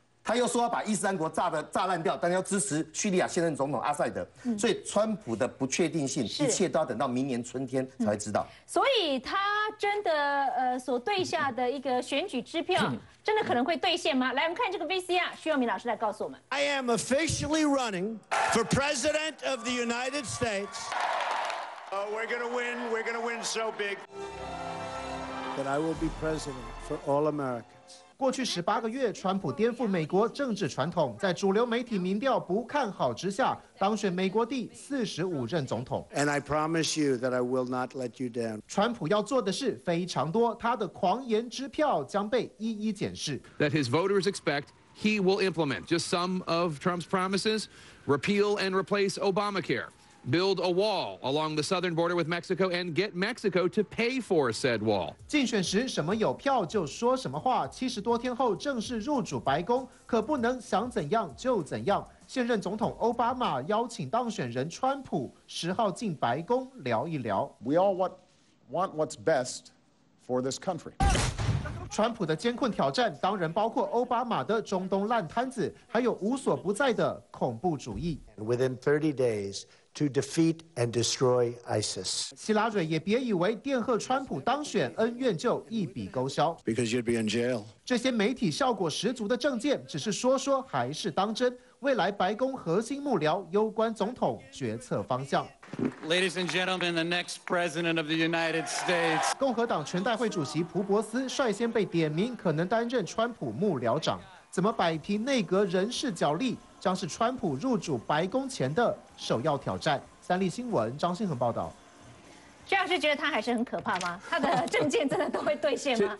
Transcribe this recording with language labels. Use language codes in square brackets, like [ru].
[zh] 他又说要把伊斯兰国炸烂掉，但要支持叙利亚现任总统阿塞德，所以川普的不确定性，一切都要等到明年春天才会知道。所以他真的所对下的一个选举支票，真的可能会兑现吗？来，我们看这个 VCR， 徐永明老师来告诉我们。 [en] I am officially running for president of the United States. We're gonna win. We're gonna win so big that I will be president for all Americans. [zh] 过去十八个月，川普颠覆美国政治传统，在主流媒体民调不看好之下，当选美国第45任总统。 [en] And I promise you that I will not let you down. [zh] 川普要做的事非常多，他的狂言支票将被一一检视。 [en] That his voters expect he will implement just some of Trump's promises: repeal and replace Obamacare, build a wall along the southern border with Mexico, and get Mexico to pay for said wall. [zh] 竞选时什么有票就说什么话，七十多天后正式入主白宫，可不能想怎样就怎样。现任总统奥巴马邀请当选人川普十号进白宫聊一聊。 [en] We all want what's best for this country. [zh] 川普的艰困挑战当然包括奥巴马的中东烂摊子，还有无所不在的恐怖主义。 [en] Within 30 days to defeat and destroy ISIS. [zh] 希拉蕊也别以为电贺川普当选恩怨就一笔勾销。 [en] Because you'd be in jail. [zh] 这些媒体效果十足的政见，只是说说还是当真？未来白宫核心幕僚攸关总统决策方向。 [en] Ladies and gentlemen, the next president of the United States. [zh] 共和党全代会主席普伯斯率先被点名，可能担任川普幕僚长。怎么摆平内阁人事角力，将是川普入主白宫前的首要挑战。三立新闻张信恒报道。徐老师觉得他还是很可怕吗？他的政见真的都会兑现吗？